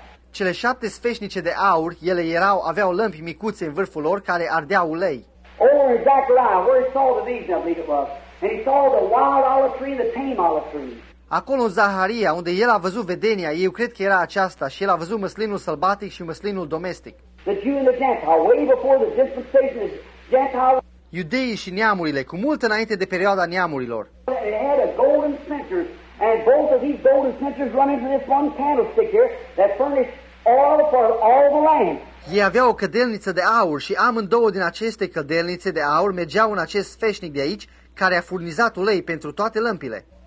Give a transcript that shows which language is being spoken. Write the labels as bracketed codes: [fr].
[ro] Cele șapte sfeșnice de aur, ele erau, aveau lămpi micuțe în vârful lor care ardeau ulei. [en] Oh, in Zechariah, where he saw the vision of the above, and he saw the wild olive tree and the tame olive tree. [ro] Acolo în Zaharia, unde el a văzut vedenia, eu cred că era aceasta, și el a văzut măslinul sălbatic și măslinul domestic. [en] The Jew and the Gentile, way before the dispensation of Gentile. [ro] Iudeii și neamurile, cu mult înainte de perioada neamurilor. [en] They had a golden censer, and both of these golden censers run into this one candlestick here that furnished oil for all the land. [ro] Ei aveau o cădelniță de aur și amândouă din aceste cădelnițe de aur mergeau în acest sfeșnic de aici care a furnizat ulei pentru toate lămpile.